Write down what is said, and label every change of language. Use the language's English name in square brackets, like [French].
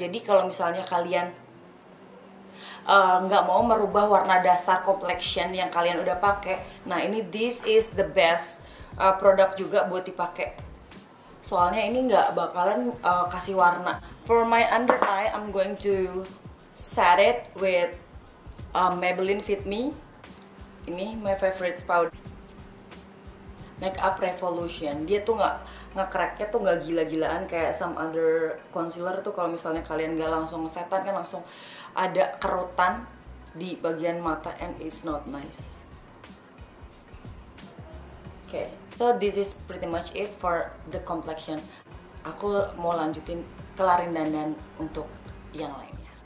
[Indonesian] Jadi kalau misalnya kalian nggak mau merubah warna dasar complexion yang kalian udah pakai, nah ini [English] this is the best [Indonesian] produk juga buat dipakai. Soalnya ini nggak bakalan kasih warna. [English] For my under eye, I'm going to set it with Maybelline Fit Me. Ini my favorite powder. Makeup Revolution. [Indonesian] Dia tuh nggak ngecracknya tuh nggak gila-gilaan kayak [English] some other concealer [Indonesian] tuh. Kalau misalnya kalian nggak langsung setan kan langsung ada kerutan di bagian mata [English] and it's not nice. Okay. So this is pretty much it for the complexion. [Indonesian] Aku mau lanjutin kelarin dandan untuk yang lainnya.